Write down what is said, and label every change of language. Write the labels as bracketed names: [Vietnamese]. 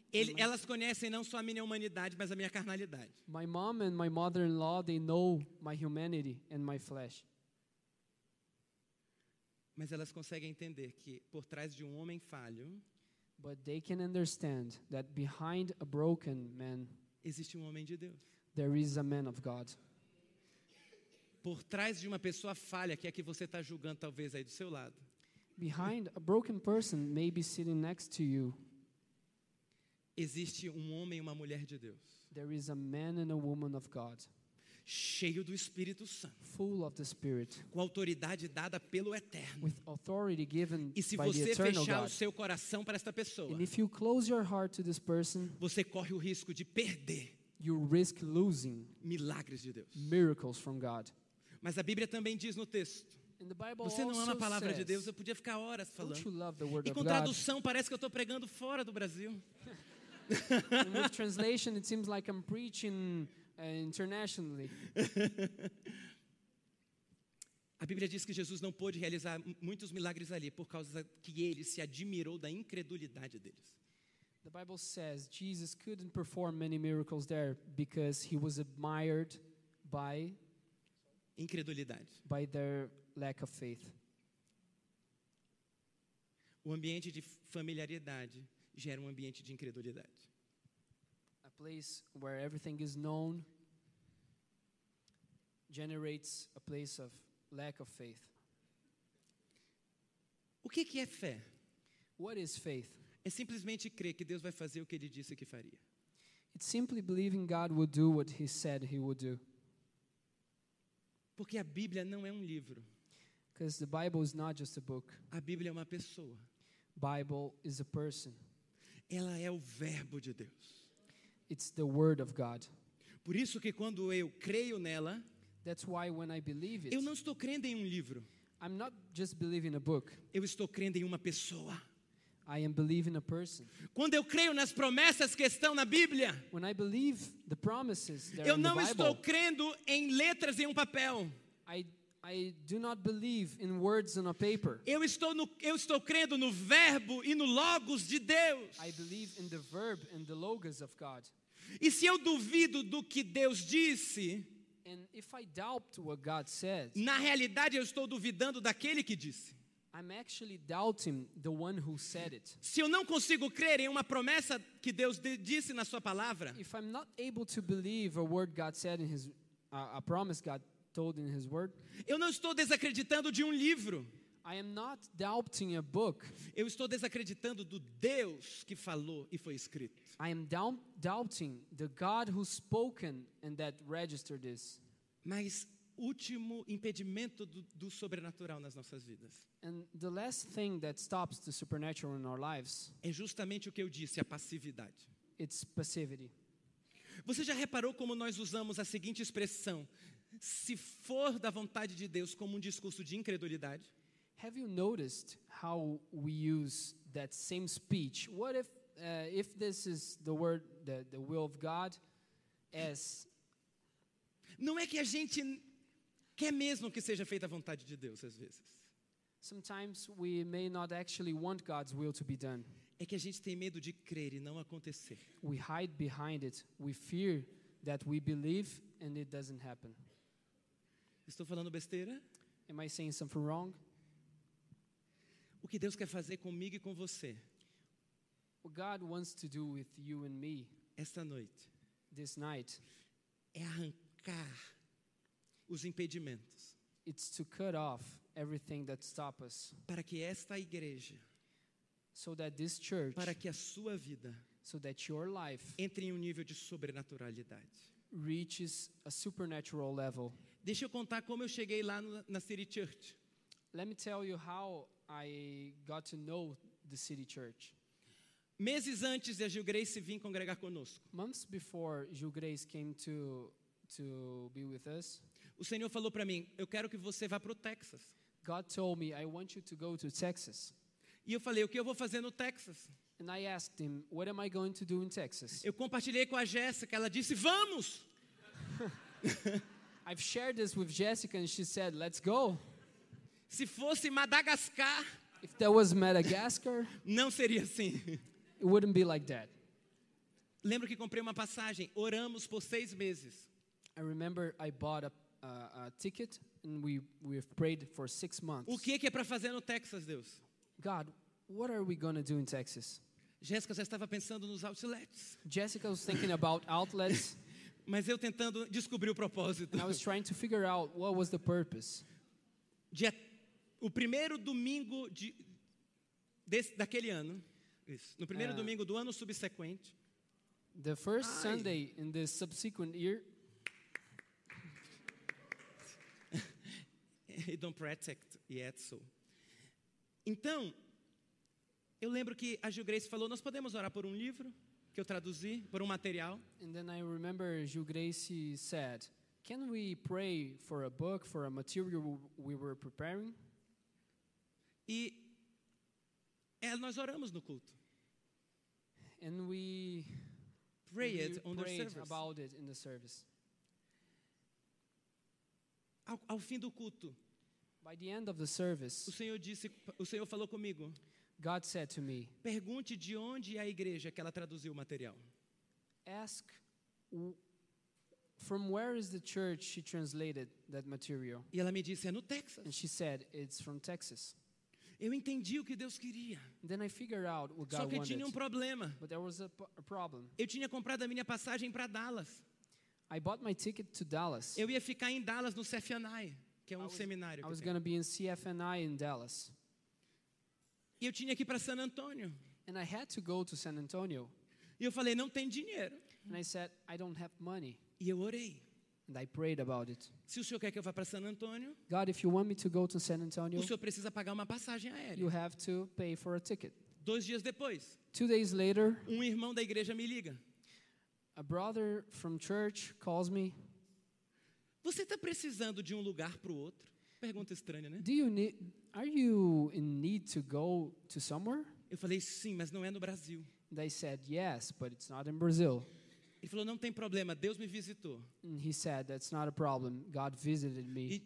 [Portuguese] Elas conhecem não só a minha humanidade, mas a minha carnalidade. [English] My mom and my mother-in-law, they know my humanity and my flesh. [Portuguese] Mas elas conseguem entender que por trás de um homem falho, [English] but they can understand that behind a broken man, [Portuguese] existe um homem de Deus. [English] There is a man of God. [Portuguese] Por trás de uma pessoa falha, que é que você está julgando talvez aí do seu lado. [English] Behind a broken person, maybe sitting next to you, [Portuguese] existe um homem e uma mulher de Deus. [English] There is a man and a woman of God. [Portuguese] Cheio do Espírito Santo. [English] Full of the Spirit. [Portuguese] Com autoridade dada pelo Eterno. [English] With authority given by the Eternal God. [Portuguese] E se você fechar o seu coração para esta pessoa, [English] and if you close your heart to this person, [Portuguese] você corre o risco de perder. [English] You risk losing [Portuguese] milagres de Deus. [English] Miracles from God. [Portuguese] Mas a Bíblia também diz no texto. [English] And the Bible [Portuguese] você não ama a palavra [English] says, [Portuguese] de Deus, eu podia ficar horas falando. [English] Don't you love the word [Portuguese] e com [English] of [Portuguese] tradução [English] God? [Portuguese] Parece que eu estou pregando fora do Brasil. [English] And with translation, it seems like I'm preaching internationally. [Portuguese] A Bíblia diz que Jesus não pôde realizar muitos milagres ali por causa que ele se admirou da incredulidade deles. [English] The Bible says Jesus couldn't perform many miracles there because he was admired by [Portuguese] incredulidade. [English] By their lack of faith. [Portuguese] O ambiente de familiaridade gera um ambiente de incredulidade. [English] A place where everything is known generates a place of lack of faith. [Portuguese] O que é fé? [English] What is faith? [Portuguese] É simplesmente crer que Deus vai fazer o que ele disse que faria. [English] It's simply believing God would do what he said he would do. [Portuguese] Porque a Bíblia não é um livro. [English] Because the Bible is not just a book. [Portuguese] A Bíblia é uma pessoa. [English] Bible is a person. [Portuguese] Ela é o verbo de Deus. [English] It's the word of God. [Portuguese] Por isso que quando eu creio nela, [English] that's why when I believe it, [Portuguese] eu não estou crendo em um livro. [English] I'm not just believing a book. [Portuguese] Eu estou crendo em uma pessoa. [English] I am believing a person. [Portuguese] Quando eu creio nas promessas que estão na Bíblia, [English] when I believe the promises that [Portuguese] eu [English] are [Portuguese] não [English] in the [Portuguese] estou [English] Bible, [Portuguese] crendo em letras em um papel. [English] I I do not believe in words on a paper. [Portuguese] Eu estou crendo no verbo e no logos de Deus. [English] I believe in the verb and the logos of God. [Portuguese] E se eu duvido do que Deus disse, [English] and if I doubt what God says, [Portuguese] na realidade eu estou duvidando daquele que disse. [English] I'm actually doubting the one who said it. [Portuguese] Se eu não consigo crer em uma promessa que Deus disse na sua palavra, [English] if I'm not able to believe a word God said in his a promise God told in his word, [Portuguese] eu não estou desacreditando de um livro. [English] I am not doubting a book. [Portuguese] Eu estou desacreditando do Deus que falou e foi escrito. [English] I am doubting the God who spoken and that registered this. [Portuguese] Mas último impedimento do sobrenatural nas nossas vidas. [English] And the last thing that stops the supernatural in our lives [Portuguese] é justamente o que eu disse, a passividade. [English] It's passivity. [Portuguese] Você já reparou como nós usamos a seguinte expressão: se for da vontade de Deus, como um discurso de incredulidade? [English] Have you noticed how we use that same speech? What if this is the word, the will of God, as... [Portuguese] Não é que a gente quer mesmo que seja feita a vontade de Deus, às vezes. [English] Sometimes we may not actually want God's will to be done. [Portuguese] É que a gente tem medo de crer e não acontecer. [English] We hide behind it. We fear that we believe and it doesn't happen. [Portuguese] Estou falando besteira? [English] Am I saying something wrong? [Portuguese] O que Deus quer fazer comigo e com você? [English] What God wants to do with you and me? [Portuguese] Esta noite. [English] This night. [Portuguese] É arrancar os impedimentos. [English] It's to cut off everything that stops us. [Portuguese] Para que esta igreja, [English] so that this church, [Portuguese] para que a sua vida, [English] so that your life, [Portuguese] entre em um nível de sobrenaturalidade, [English] reaches a supernatural level. [Portuguese] Deixa eu contar como eu cheguei lá na City Church. [English] Let me tell you how I got to know the City Church. [Portuguese] Meses antes de a Gil Grace vir congregar conosco. [English] Months before Gil Grace came to be with us. [Portuguese] O Senhor falou para mim, eu quero que você vá para o Texas. [English] God told me, I want you to go to Texas. [Portuguese] E eu falei, o que eu vou fazer no Texas? [English] And I asked him, what am I going to do in Texas? [Portuguese] Eu compartilhei com a Jéssica, ela disse, vamos! [English] I've shared this with Jessica and she said, let's go. [Portuguese] Se fosse Madagascar, [English] if that was Madagascar, [Portuguese] não seria assim. [English] It wouldn't be like that. [Portuguese] Lembro que comprei uma passagem, oramos por 6 meses. [English] I remember I bought a ticket and we prayed for 6 months. [Portuguese] O que é para fazer no Texas, Deus? [English] God, what are we going to do in Texas? [Portuguese] Jessica já estava pensando nos outlets. [English] Jessica was thinking about outlets. [Portuguese] Mas eu tentando descobrir o propósito. [English] And I was trying to figure out what was the purpose. [Portuguese] O primeiro domingo daquele ano, isso, no primeiro domingo do ano subsequente. [English] The first Sunday in the subsequent year. I don't protect yet, so. [Portuguese] Então, eu lembro que a Gil Grace falou, nós podemos orar por um livro que eu traduzi, por um material. [English] And then I remember Gil Grace said, can we pray for a book, for a material we were preparing? [Portuguese] E nós oramos no culto. [English] And we prayed on the service. About it in the service. [Portuguese] Ao fim do culto, [English] by the end of the service, [Portuguese] o Senhor falou comigo. [English] God said to me, [Portuguese] pergunte de onde é a igreja que ela traduziu o material. [English] Ask from where is the church she translated that material? [Portuguese] E ela me disse, é no Texas. [English] And she said, it's from Texas. [Portuguese] Eu entendi o que Deus queria. [English] Then I figured out what God wanted. [Portuguese] Só que tinha um problema. [English] But there was a problem. [Portuguese] Eu tinha comprado a minha passagem para Dallas. [English] I bought my ticket to Dallas. [Portuguese] Eu ia ficar em Dallas no CFNI, que é um seminário. [English] I was going to be in CFNI in Dallas. [Portuguese] E eu tinha que ir para San Antonio. [English] And I had to go to San Antonio. [Portuguese] E eu falei, não tem dinheiro. [English] And I said, I don't have money. [Portuguese] E eu orei. [English] And I prayed about it. [Portuguese] Se o Senhor quer que eu vá para San Antonio, [English] God, if you want me to go to San Antonio, [Portuguese] o Senhor precisa pagar uma passagem aérea. [English] You have to pay for a ticket. [Portuguese] 2 dias depois, [English] 2 days later, [Portuguese] um irmão da igreja me liga. [English] A brother from church calls me. [Portuguese] Você está precisando de um lugar para o outro? Pergunta estranha, né? [English] Do you need? Are you in need to go to somewhere? [Portuguese] Eu falei sim, mas não é no Brasil. [English] They said yes, but it's not in Brazil. [Portuguese] Ele falou, não tem problema, Deus me visitou. [English] And he said, that's not a problem, God visited me.